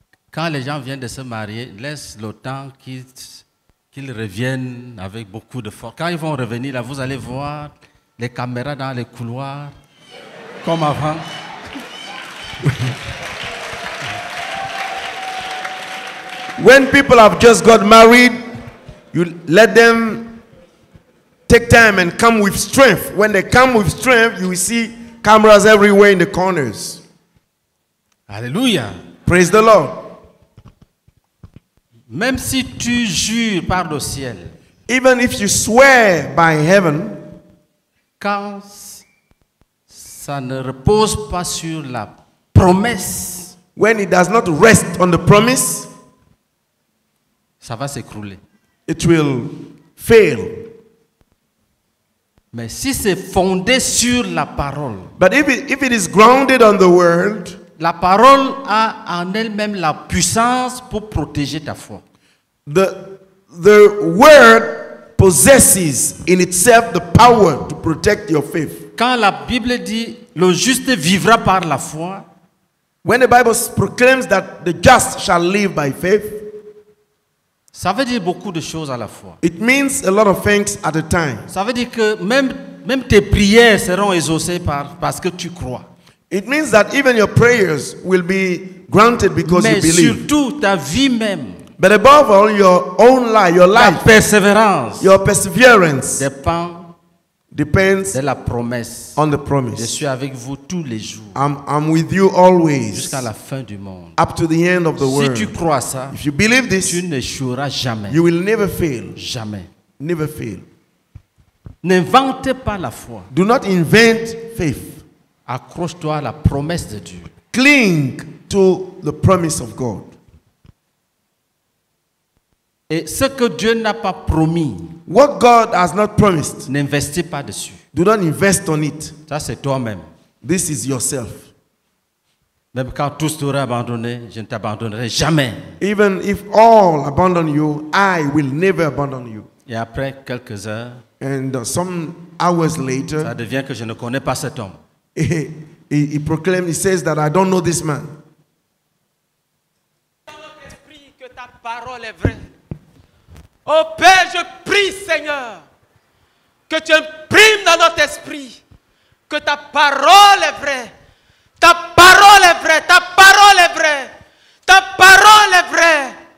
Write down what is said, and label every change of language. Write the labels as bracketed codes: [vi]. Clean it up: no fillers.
[fr] Quand les gens viennent de se marier, laisse le temps qu'ils reviennent avec beaucoup de force. Quand ils vont revenir, là, vous allez voir les caméras dans les couloirs comme avant. [en] When people have just got married, you let them take time and come with strength. When they come with strength, you will see cameras everywhere in the corners. Hallelujah. Praise the Lord. [fr] Même si tu jures par le ciel, [en] even if you swear by heaven, [fr] quand ça ne repose pas sur la promesse, [en] when it does not rest on the promise, [fr] ça va s'écrouler. [en] It will fail. [fr] Mais si c'est fondé sur la parole, [en] but if it is grounded on the word, [fr] la parole a en elle-même la puissance pour protéger ta foi. [en] The word possesses in itself the power to protect your faith. [fr] Quand la Bible dit le juste vivra par la foi, [en] when the Bible proclaims that the just shall live by faith, [fr] ça veut dire beaucoup de choses à la fois. [en] It means a lot of things at a time. [fr] Ça veut dire que même tes prières seront exaucées parce que tu crois. [en] It means that even your prayers will be granted because [fr] Mais [en] you believe. [fr] Mais surtout ta vie même. [en] But above all, your own life, your life. [fr] Ta persévérance. [en] Your perseverance. [fr] Depends de la promesse. [en] On the promise. [fr] Je suis avec vous tous les jours. [en] I'm with you always. [fr] Jusqu'à la fin du monde. [en] Up to the end of the [fr] si [en] world. [fr] Si tu crois ça, [en] if you believe this, [fr] tu ne choueras jamais. [en] You will never fail. [fr] Jamais. [en] Never fail. [fr] N'inventez pas la foi. [en] Do not invent faith. [fr] Accroche-toi à la promesse de Dieu. [en] Cling to the promise of God. [fr] Et ce que Dieu n'a pas promis, [en] what God has not promised, [fr] n'investis pas dessus. [en] Do not invest on it. [fr] Ça, c'est toi-même. [en] This is yourself. [fr] Même quand tous t'auraient abandonné, je ne t'abandonnerai jamais. [en] Even if all abandon you, I will never abandon you. [fr] Et après quelques heures, [en] and some hours later, [fr] ça devient que je ne connais pas cet homme. [en] He proclaims, he says that I don't know this man. [fr] Que ta parole est vraie. Oh Père, je prie, Seigneur, que tu imprimes dans notre esprit que ta parole est vraie. Ta parole est vraie. Ta parole est vraie. Ta parole est vraie.